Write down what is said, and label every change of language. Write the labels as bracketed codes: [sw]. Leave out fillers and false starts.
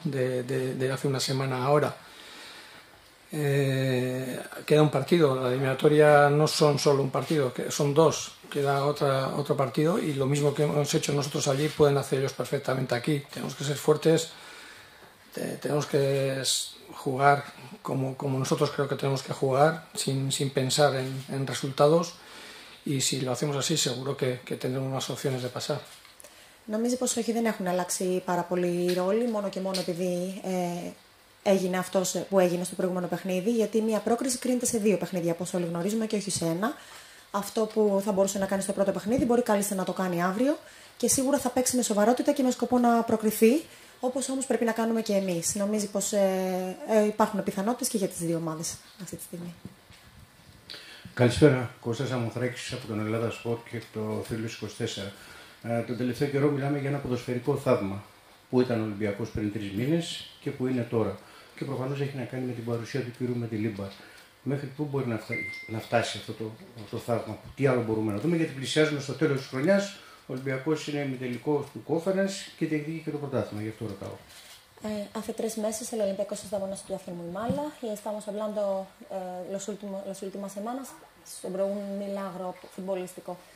[es] De hace una semana a ahora. Queda un partido, la eliminatoria no son solo un partido, son dos, queda otro partido y lo mismo que hemos hecho nosotros allí pueden hacer ellos perfectamente aquí. Tenemos que ser fuertes, tenemos que jugar como nosotros creo que tenemos que jugar, sin pensar en resultados. Y si lo hacemos así, seguro que tendremos más opciones de pasar. [el] Νομίζω πως όχι, δεν έχουν αλλάξει πάρα πολύ οι ρόλοι, μόνο και μόνο επειδή έγινε αυτό που έγινε στο προηγούμενο παιχνίδι. Γιατί μια πρόκριση κρίνεται σε δύο παιχνίδια, όπως όλοι γνωρίζουμε, και όχι σε ένα. Αυτό που θα μπορούσε να κάνει στο πρώτο παιχνίδι μπορεί καλύτερα να το κάνει αύριο. Και σίγουρα θα παίξει με σοβαρότητα και με σκοπό να προκριθεί, όπως όμως πρέπει να κάνουμε και εμείς. Νομίζω πως υπάρχουν πιθανότητες και για τις δύο ομάδες αυτή τη στιγμή. Καλησπέρα. Κώστας Αμοθράκης από τον Ελλάδα Σπορ και το Θρύλος 24. Τον τελευταίο καιρό μιλάμε για ένα ποδοσφαιρικό θαύμα που ήταν ο Ολυμπιακός πριν τρεις μήνες και που είναι τώρα. Και προφανώς έχει να κάνει με την παρουσία του κυρίου Μεντιλίμπαρ. Μέχρι πού μπορεί να φτάσει αυτό το θαύμα, τι άλλο μπορούμε να δούμε, γιατί πλησιάζουμε στο τέλος της χρονιάς. Ο Ολυμπιακός είναι ημιτελικός του κόφερενς και διεκδίκει και το πρωτάθλημα, γι' αυτό ρωτάω. Αφετρές μέσες, ο Ολυμπιακός Σταμόνας του Αφήνου Μουιμάλα. [es] Estamos hablando las últimas semanas sobre un milagro futbolístico.